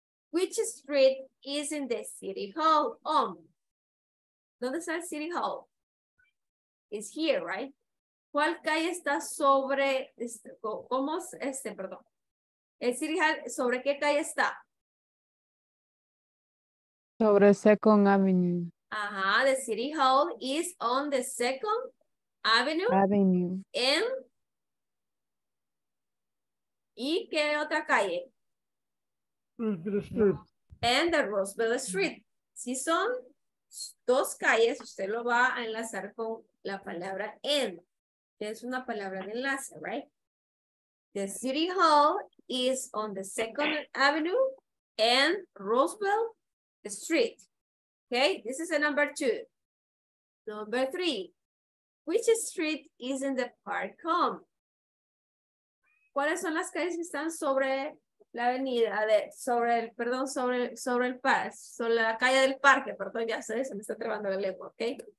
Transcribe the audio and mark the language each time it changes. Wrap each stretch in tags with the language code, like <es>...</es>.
<en>Which street is in the City Hall on?</en> <es>¿Dónde está el City Hall?</es> <en>It's here, right?</en> <es>¿Cuál calle está sobre, el City Hall, sobre qué calle está? Sobre Second Avenue.</es> <en>Ajá, the City Hall is on the Second Avenue. Avenue.</en> <es>¿Y qué otra calle? En the Roosevelt Street. Si son dos calles, usted lo va a enlazar con la palabra en. Es una palabra de enlace, right?</es> <en>The City Hall is on the Second Avenue and Roosevelt Street. Okay, this is a number two. Number three, which street is in the park home?</en> <es>¿Cuáles son las calles que están sobre la avenida? Sobre la calle del parque, perdón, ya sé, se me está trabando la lengua, okay?</es>